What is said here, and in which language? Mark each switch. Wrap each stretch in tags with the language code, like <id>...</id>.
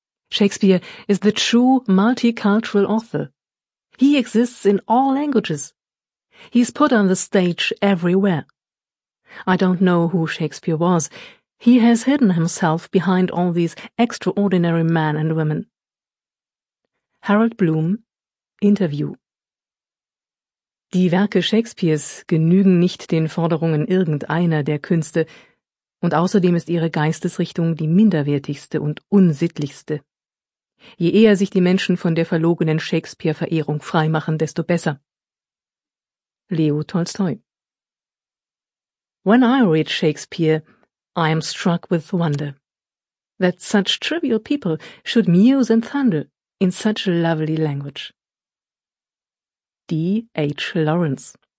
<en>Shakespeare is the true multicultural author. He exists in all languages. He is put on the stage everywhere. I don't know who Shakespeare was. He has hidden himself behind all these extraordinary men and women. Harold Bloom, Interview.</en> <de>Die Werke Shakespeares genügen nicht den Forderungen irgendeiner der Künste, und außerdem ist ihre Geistesrichtung die minderwertigste und unsittlichste. Je eher sich die Menschen von der verlogenen Shakespeare-Verehrung freimachen, desto besser. Leo Tolstoi.</de> <en>When I read Shakespeare, I am struck with wonder that such trivial people should muse and thunder in such a lovely language. D. H. Lawrence.</en>